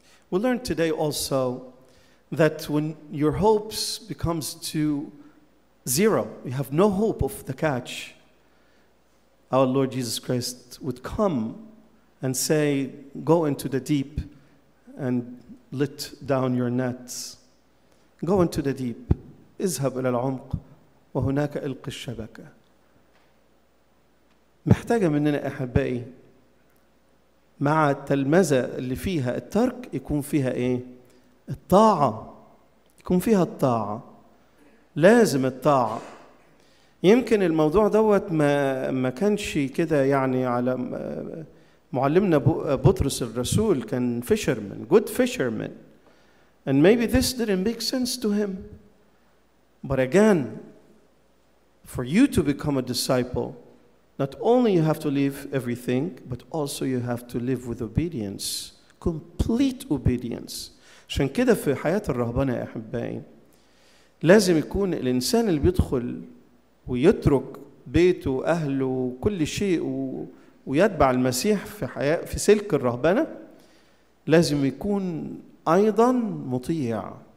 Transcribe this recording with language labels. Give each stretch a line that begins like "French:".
English: We learned today also that when your hopes becomes to zero, you have no hope of the catch, our Lord Jesus Christ would come and say, go into the deep and let down your nets. Go into the deep.
Arabic: اذهب إلى العمق وهناك ألقي الشبكة. محتاجة مننا أحبائي مع التلمذة اللي فيها الترك يكون فيها إيه؟ الطاعة. يكون فيها الطاعة. لازم الطاعة. يمكن الموضوع دوت ما كانش كده، يعني على معلمنا بطرس الرسول كان فيشرمان، جود فيشرمان.
English: And maybe this didn't make sense to him. But again, for you to become a disciple, not only you have to leave everything, but also you have to live with obedience, complete obedience.
Arabic: عشان كده في حياة الرهبانة يا أحبائي لازم يكون الإنسان اللي بيدخل ويترك بيته وأهله وكل شيء ويتبع المسيح في حياة في سلك الرهبانة لازم يكون أيضا مطيع.